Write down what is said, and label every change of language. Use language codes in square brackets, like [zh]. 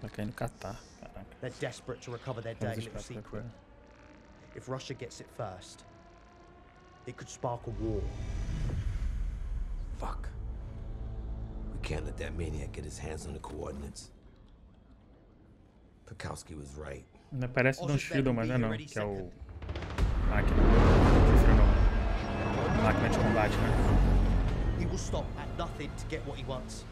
[en] Okay, no Qatar. They're desperate to recover their dirty little secret. If Russia gets it first, it could spark a war. Fuck. We can't let that maniac get his hands on the coordinates. Pekowski was right. [pt] Parece Don Shield, mas não, que é o Máquina. Máquina de combate, né? [en] He will stop at nothing to get what he wants.